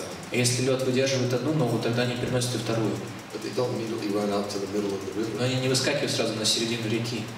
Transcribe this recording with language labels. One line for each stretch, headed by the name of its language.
Russian: Если лед выдерживает одну ногу, тогда они переносят и вторую.
English: But they don't immediately run out to the middle of the river.
Russian: Но они не выскакивают сразу на середину реки.